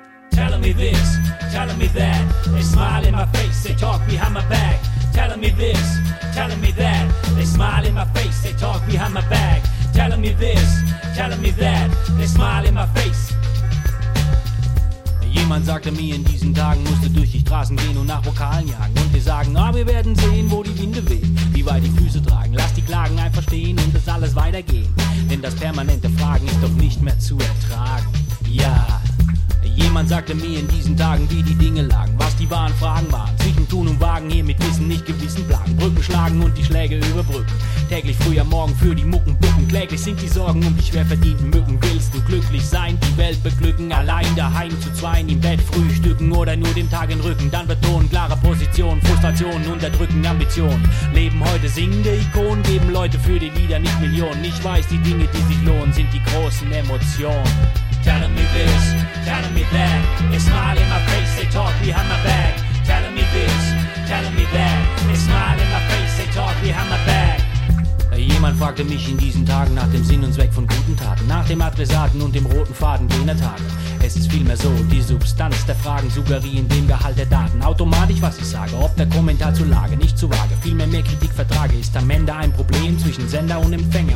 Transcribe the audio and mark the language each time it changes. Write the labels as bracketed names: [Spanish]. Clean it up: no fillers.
[English] telling me this, telling me that. They smile in my face, they talk behind my back. Telling me this, telling me that. They smile in my face, they talk behind my back. Telling me this, telling me that. They smile in my face. [German] Jemand sagte mir, in diesen Tagen musst du durch die Straßen gehen und nach Vokalen jagen. Und wir sagen, na, wir werden sehen, wo die Winde wehen, wie weit die Füße tragen. Lass die Klagen einfach stehen und es alles weitergehen. Denn das permanente Fragen ist doch nicht mehr zu ertragen. Ja, jemand sagte mir in diesen Tagen, wie die Dinge lagen, was die wahren Fragen waren. Zwischen Tun und Wagen hier mit Wissen nicht gewissen plagen. Brücken schlagen und die Schläge überbrücken. Täglich früh am Morgen für die Mucken bücken. Kläglich sind die Sorgen um die schwer verdienten Mücken. Willst du glücklich sein, die Welt beglücken? Allein daheim zu zweien im Bett frühstücken oder nur dem Tag in Rücken? Dann betonen klare Positionen, Frustrationen unterdrücken Ambitionen. Leben heute singende Ikonen, geben Leute für die Lieder nicht Millionen. Ich weiß, die Dinge, die sich lohnen, sind die großen Emotionen. [English] Telling me this, telling me that. They smile in my face, they talk behind my back. Telling me this, telling me that. They smile in my face, they talk behind my back. [German] Jemand fragte mich in diesen Tagen nach dem Sinn und Zweck von guten Taten, nach dem Adressaten und dem roten Faden jener Tage. Es ist vielmehr so, die Substanz der Fragen suggerieren dem Gehalt der Daten. Automatisch, was ich sage, ob der Kommentar zur Lage nicht zu vage, vielmehr mehr Kritik vertrage, ist am Ende ein Problem zwischen Sender und Empfänger.